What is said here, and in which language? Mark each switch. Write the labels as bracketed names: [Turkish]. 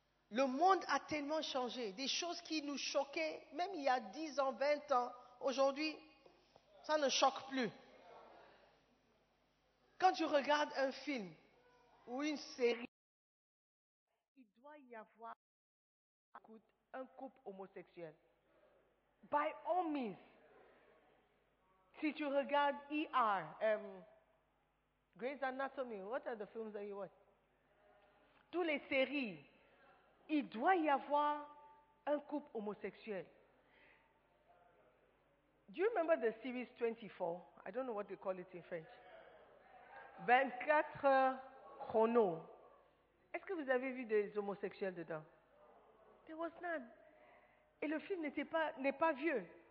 [French] Le monde a tellement changé. Des choses qui nous choquaient, même il y a 10 ans, 20 ans, aujourd'hui, ça ne choque plus. Quand tu regardes un film ou une série, il doit y avoir un couple homosexuel. [English] By all means. [French] Si tu regardes [English] ER, Grey's Anatomy, what are the films that you watch? [French] Toutes les séries, il doit y avoir un couple homosexuel. [English] Do you remember the series 24? I don't know what they call it in French. [French] 24 chrono. Est-ce que vous avez vu des homosexuels dedans? [English] There was none. [French] Et le film n'est pas vieux.